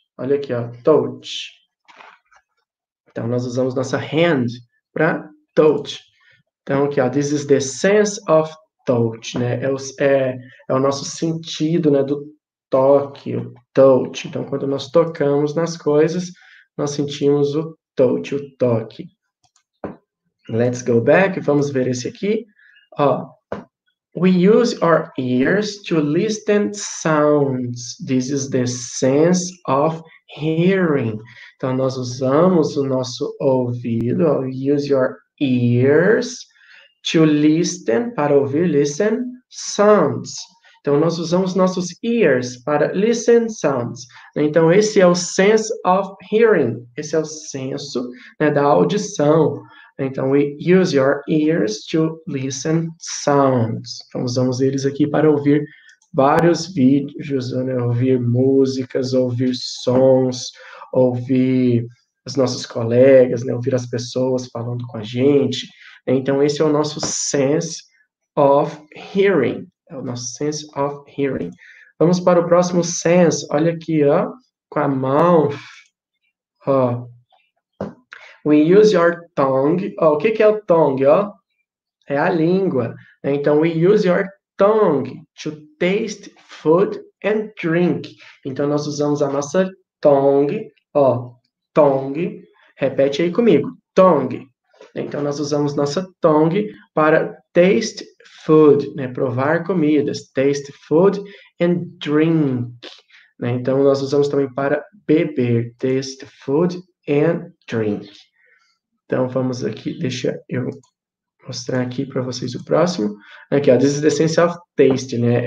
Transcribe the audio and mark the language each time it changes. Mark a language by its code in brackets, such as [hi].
[pt] Olha aqui, ó, touch. Então, nós usamos nossa hand para touch. Então, aqui, ó, [en] this is the sense of touch, né? [pt] É o nosso sentido, né, do toque, o touch. Então, quando nós tocamos nas coisas, nós sentimos o touch, o toque. [en] Let's go back, [pt] vamos ver esse aqui. [en] Ó, we use our ears to listen sounds. This is the sense of hearing. [pt] Então, nós usamos o nosso ouvido. Ó, [en] use your ears to listen, [pt] para ouvir, [en] listen sounds. [pt] Então, nós usamos nossos ears para [en] listen sounds. [pt] Então, esse é o [en] sense of hearing. [pt] Esse é o senso, né, da audição. [en] Então, we use your ears to listen sounds. [pt] Então, usamos eles aqui para ouvir vários vídeos, né? Ouvir músicas, ouvir sons, ouvir os nossos colegas, né? Ouvir as pessoas falando com a gente. Então, esse é o nosso [en] sense of hearing. [pt] É o nosso [en] sense of hearing. [pt] Vamos para o próximo sense. Olha aqui, ó, com a mão. Ó. [en] We use your tongue. [pt] Ó, o que que é o tongue, ó? É a língua. [en] Então, we use your tongue to taste food and drink. [pt] Então, nós usamos a nossa tongue, ó, tongue. [en] Repete aí comigo, tongue. [pt] Então, nós usamos nossa tongue para [en] taste food, [pt] né? Provar comidas. [en] Taste food and drink. Né? [pt] Então, nós usamos também para beber. [en] Taste food and drink. [pt] Então, vamos aqui, deixa eu mostrar aqui para vocês o próximo. Aqui, ó, [en] this is the sense of taste, né?